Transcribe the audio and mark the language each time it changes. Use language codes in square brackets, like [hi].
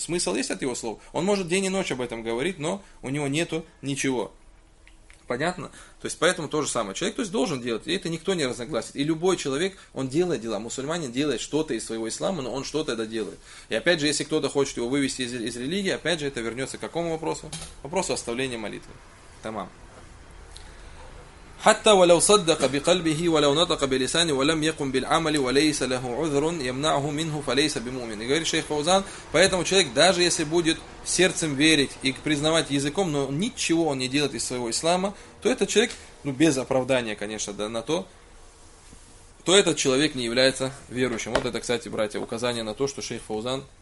[ru] Смысл есть его слов. Он может день и ночь об этом говорить, но у него нету ничего. Понятно? То есть, поэтому то же самое. Человек, то есть, должен делать, и это никто не разногласит. И любой человек, он делает дела. Мусульманин делает что-то из своего ислама, но он что-то это делает. И опять же, если кто-то хочет его вывести из религии, опять же, это вернется к какому вопросу? К вопросу оставления молитвы. [ar] Тамам. حتى ولو صدق بقلبه ولو نطق بلسانه ولم يقم بالعمل وليس له عذر يمنعه منه فليس بمؤمن. [ru] Говорит шейх Фаузан, поэтому человек даже если будет сердцем верить и признавать языком, но ничего он не делает из своего ислама, то этот человек, ну без оправдания, конечно, да, на то этот человек не является верующим. Вот это, кстати, братья, указание на то, что шейх Фаузан